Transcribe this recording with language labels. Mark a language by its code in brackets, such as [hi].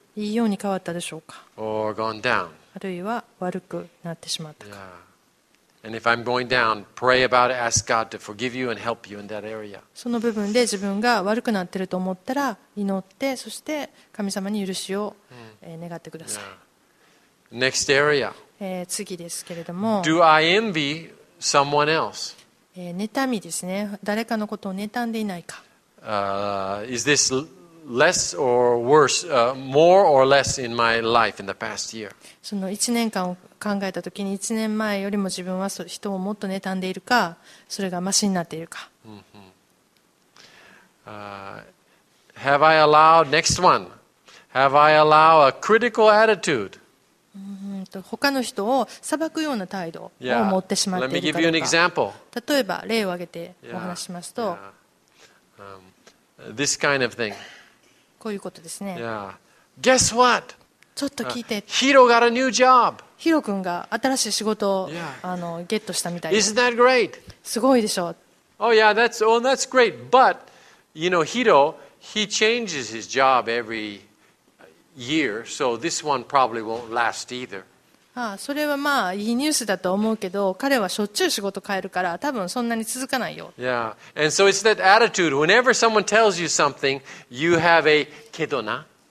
[ja] いいように変わったでしょうか。 [en] Or gone down? [ja] あるいは悪くなってしまったか。 [en] Yeah. And if I'm going down, pray about it. Ask God to forgive you and help you in that area. [ja] その部分で自分が悪くなってると思ったら祈って、そして神様に許しを願ってください。 [en] Yeah. Next area. [ja] 次ですけれども、 [en] Do I envy someone else? [ja] 妬みですね。誰かのことを妬んでいないか。 [en] Is this less or worse, more or less in my life in the past year? [ja] その1年間を考えたときに、1年前よりも自分は人をもっと妬んでいるか、それがマシになっているか。 [en] Have I allowed, next one, have I allowed a critical attitude? [ja] 他の人を裁くような態度を持ってしまっているかどうか。例えば例を挙げてお話しますと、 [en] this kind of thing. [ja] こういうことですね。 [en] Guess what? [ja] ちょっと聞いて。 [en] Hiro got a new job. [ja] Hiro 君が新しい仕事をゲットしたみたいです。 [en] Isn't that great? [ja] すごいでしょう。 [en] Oh yeah, that's great. But you know, Hiro, he changes his job every. Year, so this one probably won't last either. [ja] ああ、それはまあいいニュースだと思うけど、彼はしょっちゅう仕事変えるから、多分そんなに続かないよ。 [en] Yeah, and so it's that attitude. Whenever someone tells you something, you have a [ja] けどな。